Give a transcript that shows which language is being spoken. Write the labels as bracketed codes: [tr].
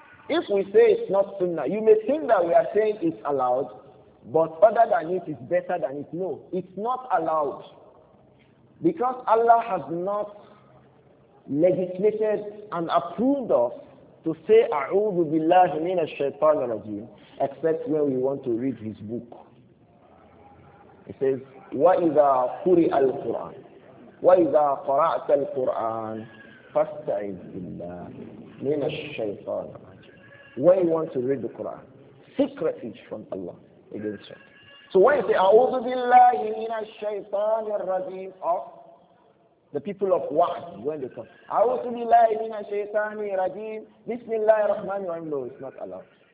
[en] If we say it's not sunnah, you may think that we are saying it's allowed, but other than it is better than it. No, it's not allowed. Because Allah has not legislated and approved us to say [ar] أعوذ بالله من الشيطان الرجيم [en] except when we want to read his book. It says, [ar] وَإِذَا قُرِئَ الْقُرْآنِ وَإِذَا قَرَأْتَ الْقُرْآنِ فَاسْتَعِذْ بِاللَّهِ مِنَ الشَّيْطَانِ الرَّجِيمِ. [en] When you want to read the Quran, seek refuge from Allah against it. So when you say, [ar] أَعُوذُ بِاللَّهِ مِنَ الشَّيْطَانِ الرَّجِيمِ [en] of the people of Wahd, when they come, [ar] أَعُوذُ بِاللَّهِ مِنَ الشَّيْطَانِ الرَّجِيمِ بِسْمِ اللَّهِ الرَّحْمَنِ الرَّحِيمِ, [en] no, it's not allowed.